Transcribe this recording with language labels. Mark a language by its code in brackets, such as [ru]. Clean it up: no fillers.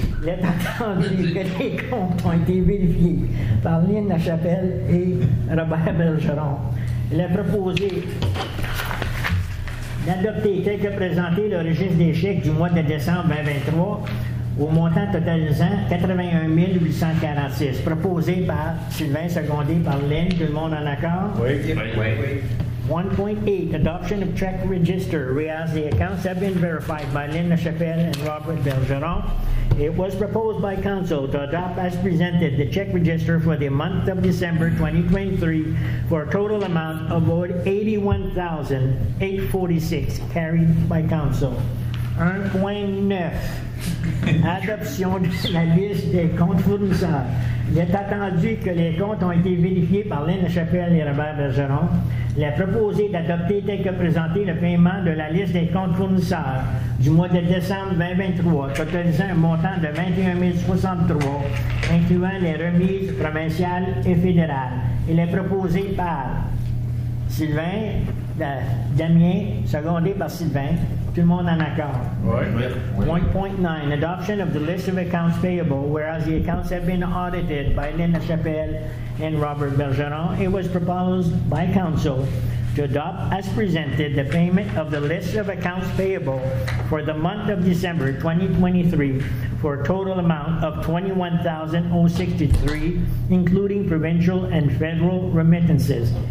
[fr] Il est attendu que les comptes ont été vérifiés par Lynn Lachapelle et Robert Bergeron. Il est proposé d'adopter tel que présenté le registre des chèques du mois de décembre 2023 au montant totalisant 81 846. Proposé par Sylvain, secondé par Lynn. Tout le monde en accord? Oui. [en] 1.8, adoption of check register, whereas the accounts have been verified by Lynn Lachapelle and Robert Bergeron. It was proposed by council to adopt as presented the check register for the month of December 2023 for a total amount of $81,846, carried by council. [fr] 1.9, adoption de la liste des comptes fournisseurs. Il est attendu que les comptes ont été vérifiés par Lynn Lachapelle et Robert Bergeron. Il est proposé d'adopter tel que présenté le paiement de la liste des comptes fournisseurs du mois de décembre 2023, totalisant un montant de 21 063, incluant les remises provinciales et fédérales. Il est proposé par Sylvain, Damien, secondé par Sylvain. Tout le monde en accord. Oui. [en] 1.9, adoption of the list of accounts payable, whereas the accounts have been audited by Lynn Lachapelle and Robert Bergeron. It was proposed by council to adopt as presented the payment of the list of accounts payable for the month of December 2023 for a total amount of $21,063, including provincial and federal remittances.